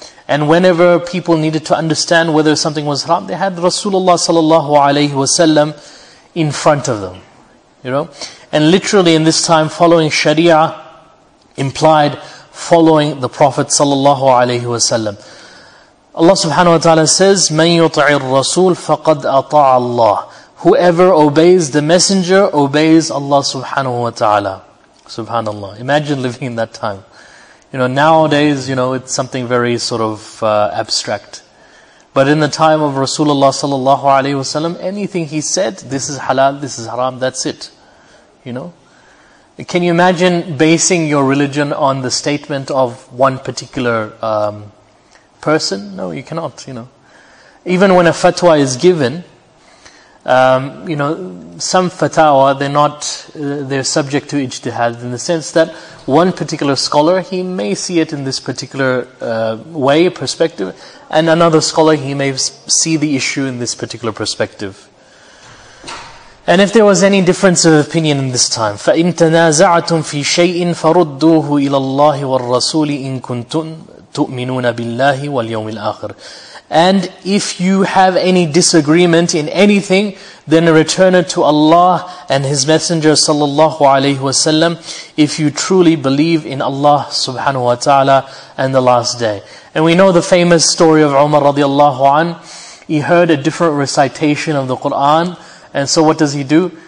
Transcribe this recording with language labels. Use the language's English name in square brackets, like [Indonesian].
[English] And whenever people needed to understand whether something was haram, they had Rasulullah sallallahu alaihi wasallam in front of them. You know? And literally in this time, following Sharia implied following the Prophet sallallahu alaihi wasallam. [Arabic] Allah subhanahu wa ta'ala says, مَنْ يُطْعِ الرَّسُولِ فَقَدْ أَطَاعَ اللَّهِ. [English] Whoever obeys the messenger obeys Allah subhanahu wa ta'ala. Subhanallah. Imagine living in that time. You know, nowadays, you know, it's something very sort of abstract. But in the time of Rasulullah sallallahu alayhi wasallam, anything he said, this is halal, this is haram, that's it. You know? Can you imagine basing your religion on the statement of one particular person? No, you cannot, you know. Even when a fatwa is given, some fatwa, they're subject to ijtihad, in the sense that one particular scholar, he may see it in this particular way, perspective, and another scholar, he may see the issue in this particular perspective. And if there was any difference of opinion in this time, [Arabic] فَإِن تَنَازَعَتُمْ فِي شَيْءٍ فَرُدُّوهُ إِلَى اللَّهِ وَالرَّسُولِ إِن كُنْتُمْ تُؤْمِنُونَ بِاللَّهِ وَالْيَوْمِ الْآخِرِ. [English] And if you have any disagreement in anything, then return it to Allah and His Messenger sallallahu alayhi wasallam, if you truly believe in Allah subhanahu wa ta'ala and the last day. And we know the famous story of Umar radiallahu an. He heard a different recitation of the Quran, and so what does he do?